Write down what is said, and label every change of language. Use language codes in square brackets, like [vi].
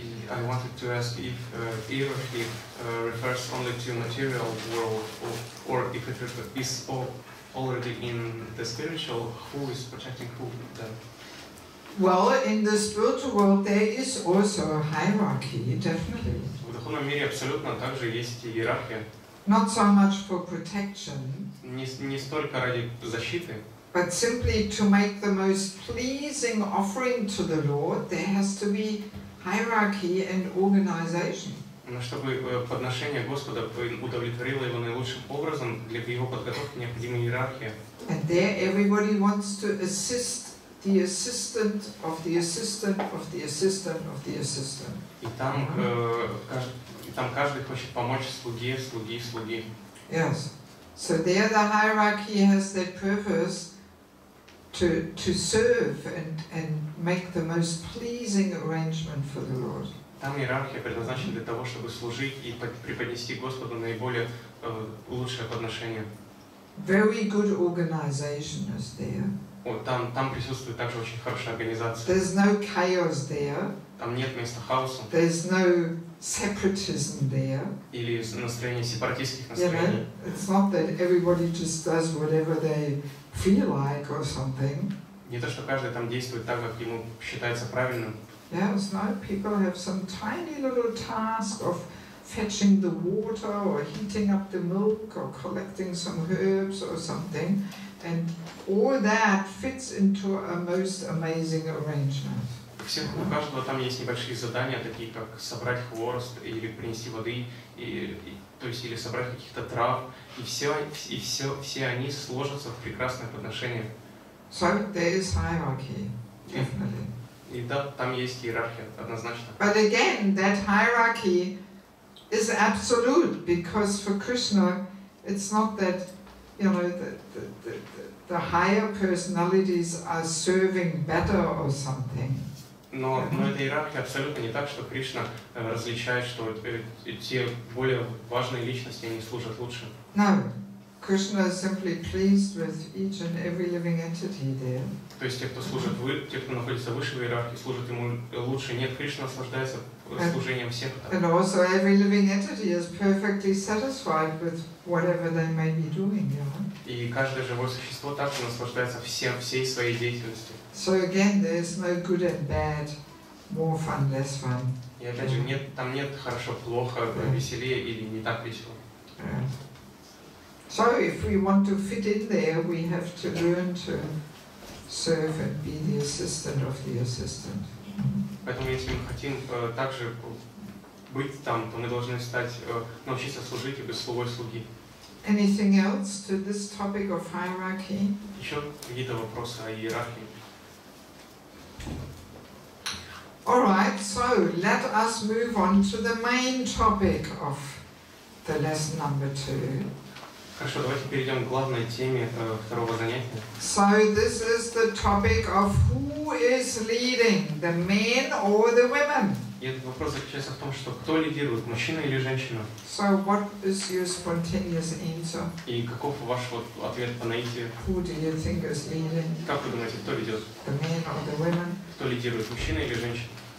[en] I wanted to ask if hierarchy refers only to material world, or if it is already in the spiritual, who is protecting who then? Well, in the spiritual world there is also a hierarchy, definitely. [ru] В духовном мире абсолютно также есть иерархия. [en] Not so much for protection. [ru] Не столько ради защиты. [en] But simply to make the most pleasing offering to the Lord, there has to be hierarchy and organization. [ru] Но чтобы подношение Господа удовлетворило его наилучшим образом, для его подготовки необходима иерархия. [en] And there everybody wants to assist the assistant of the assistant of the assistant of the assistant. [ru] И там там каждый хочет помочь слуге, слуге, слуге. [en] Yes. So there the hierarchy has that purpose to serve and make the most pleasing arrangement for the Lord. [ru] Там иерархия предназначена для того, чтобы служить и преподнести Господу наиболее лучшее подношение. [en] Very good organization is there. [ru] Вот там присутствует также очень хорошая организация. [en] There's no chaos there. [ru] Там нет места хаосу. [en] There's no separatism there. [ru] Или настроение сепаратистских настроений. [en] Yeah, it's not that everybody just does whatever they feel like or something. [ru] Не то, что каждый там действует так, как ему считается правильным. [en] Yes, no, people have some tiny little task of fetching the water or heating up the milk or collecting some herbs or something. And all that fits into a most amazing arrangement. [ru] У каждого там есть небольшие задания, такие как собрать хворост или принести воды, то есть или собрать каких-то трав, и все они сложатся в прекрасное подношение. [en] So there is hierarchy, definitely. [ru] И да, там есть иерархия, однозначно. [en] But again, that hierarchy is absolute, because for Krishna, it's not that, you know, the higher personalities are serving better or something. [ru] Но эта иерархия абсолютно не так, что Кришна различает, что те более важные личности, они служат лучше. [en] No. Krishna is simply pleased with each and every living entity there. [ru] То есть те, кто служит те, кто находится выше в иерархии, служат ему лучше. Нет, Кришна наслаждается служением всех. [en] And also every living entity is perfectly satisfied with whatever they may be doing, you know? [ru] И каждое живое существо также наслаждается всей своей деятельностью. [en] So again, there is no good and bad, more fun, less fun. [ru] И опять же, нет хорошо, плохо, веселее или не так весело. [en] So if we want to fit in there, we have to learn to serve and be the assistant of the assistant. [ru] Поэтому если мы хотим также быть там, то мы должны научиться служить и быть слугой слуги. [en] Anything else to this topic of hierarchy? [ru] Еще какие-то вопросы о иерархии? [en] All right, so let us move on to the main topic of the lesson number 2. [ru] Хорошо, давайте перейдем к главной теме второго занятия. [en] So this is the topic of who is leading, the men or the women. [ru] И этот вопрос заключается в том, что кто лидирует, мужчина или женщина. [en] So what is your spontaneous answer? [ru] И каков ваш ответ по наитию? [en] Who do you think is leading? [ru] Как вы думаете, кто ведет? [en] The men or the women? [ru] Кто лидирует, мужчина или женщина?